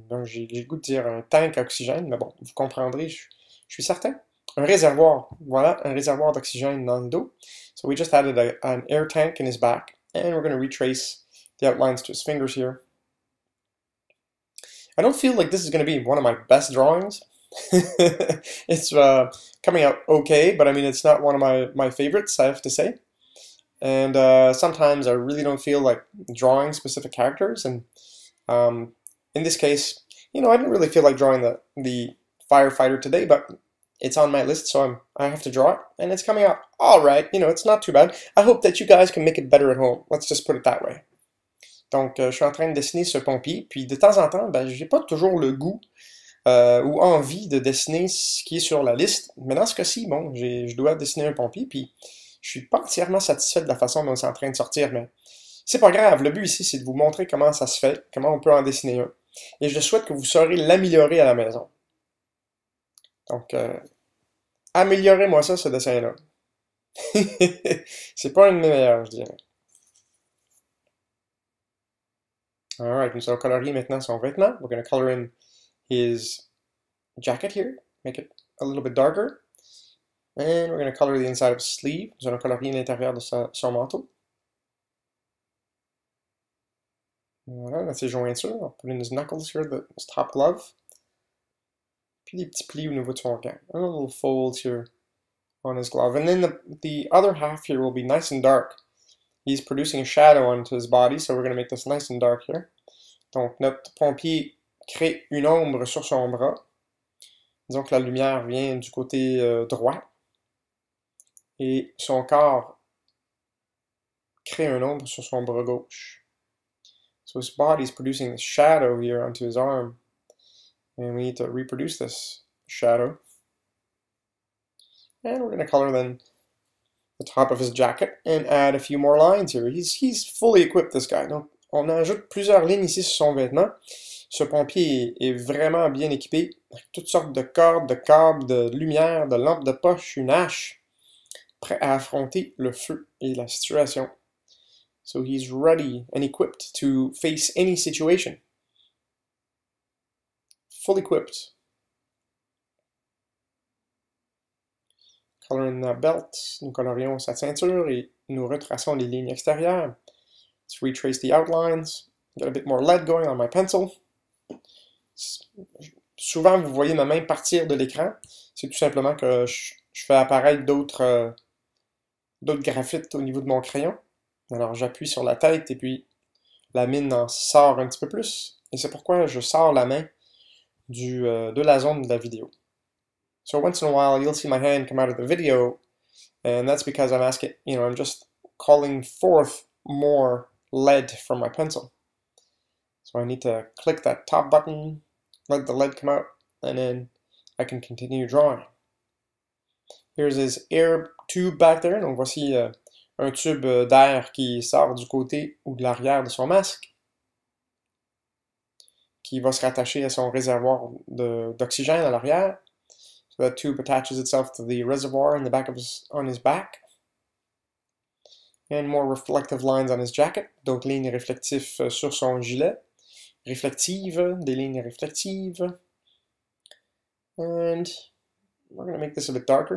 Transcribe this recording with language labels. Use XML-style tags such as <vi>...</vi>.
<fr>J'ai le goût de dire un tank d'oxygène, mais bon, vous comprendrez, je suis certain. Un réservoir, voilà, un réservoir d'oxygène dans le dos.</fr> <en>So we just added an air tank in his back. And we're going to retrace the outlines to his fingers here. I don't feel like this is going to be one of my best drawings. It's coming out okay, but I mean, it's not one of my favorites, I have to say. And sometimes I really don't feel like drawing specific characters. And in this case, you know, I didn't really feel like drawing the firefighter today, but it's on my list, so I have to draw it. And it's coming out all right. You know, it's not too bad. I hope that you guys can make it better at home. Let's just put it that way.</en> <fr>Donc, je suis en train de dessiner ce pompier, puis de temps en temps, ben, j'ai pas toujours le goût ou envie de dessiner ce qui est sur la liste. Mais dans ce cas-ci, bon, je dois dessiner un pompier, puis je suis pas entièrement satisfait de la façon dont c'est en train de sortir. Mais c'est pas grave, le but ici, c'est de vous montrer comment ça se fait, comment on peut en dessiner un. Et je souhaite que vous saurez l'améliorer à la maison. Donc, améliorez-moi ça, ce dessin-là. C'est pas un de mes meilleurs, je dirais. Alright, nous allons colorier maintenant son vêtement.</fr> <en>We're going to color in his jacket here. Make it a little bit darker. And we're going to color the inside of his sleeve.</en> <fr>Nous allons colorier l'intérieur de son manteau. Voilà, là, ses jointures.</fr> <en>I'll put in his knuckles here, his top glove.</en> <fr>Puis des petits plis au niveau de son gant.</fr> <en>A little fold here on his glove. And then the other half here will be nice and dark. He's producing a shadow onto his body, so we're going to make this nice and dark here.</en> <fr>Donc, notre pompier crée une ombre sur son bras. Disons que la lumière vient du côté droit. Et son corps crée une ombre sur son bras gauche.</fr> <en>So his body is producing a shadow here onto his arm. And we need to reproduce this shadow. And we're going to color then the top of his jacket and add a few more lines here. He's fully equipped, this guy.</en> <fr>Donc, on ajoute plusieurs lignes ici sur son vêtement. Ce pompier est vraiment bien équipé, avec toutes sortes de cordes, de câbles, de lumières, de lampes de poche, une hache, prêt à affronter le feu et la situation.</fr> <en>So he's ready and equipped to face any situation. Full equipped. Coloring the belt,</en> <fr>nous colorions sa ceinture et nous retraçons les lignes extérieures.</fr> <en>Let's retrace the outlines. Got a bit more lead going on my pencil.</en> <fr>Souvent, vous voyez ma main partir de l'écran. C'est tout simplement que je fais apparaître d'autres graphites au niveau de mon crayon. Alors, j'appuie sur la tête et puis la mine en sort un petit peu plus. Et c'est pourquoi je sors la main de la zone de la vidéo.</fr> <en>So once in a while, you'll see my hand come out of the video, and that's because I'm asking, I'm just calling forth more lead from my pencil. So I need to click that top button, let the lead come out, and then I can continue drawing. Here's his air tube back there.</en> <fr>Donc voici un tube d'air qui sort du côté ou de l'arrière de son masque, qui va se rattacher à son réservoir d'oxygène à l'arrière.</fr> <en>So that tube attaches itself to the reservoir in the back of on his back. And more reflective lines on his jacket.</en> <fr>D'autres lignes réflectives sur son gilet. Réflective, des lignes réflectives.</fr> <en>And we're going to make this a bit darker.</en>